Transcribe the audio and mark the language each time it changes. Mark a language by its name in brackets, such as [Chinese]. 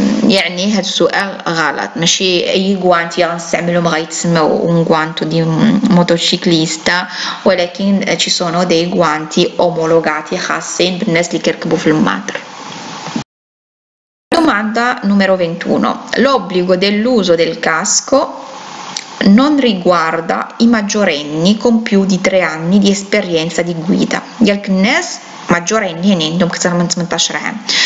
[Arabic] يعني هذا السؤال غلط، ماشي اي جوانتي غنستعملهم غيتسموا اون جوانتو دي موتوشيكليستا، ولكن [Italian] ci sono dei guanti omologati [Arabic] خاصين بالناس اللي كيركبوا في الماتر. [Italian] Domanda numero 21. L'obbligo dell'uso del casco non riguarda i maggiorenni con più di 3 anni di esperienza di guida. [Arabic] ياك الناس maggiorenni e عندهم اكثر من 18 عام.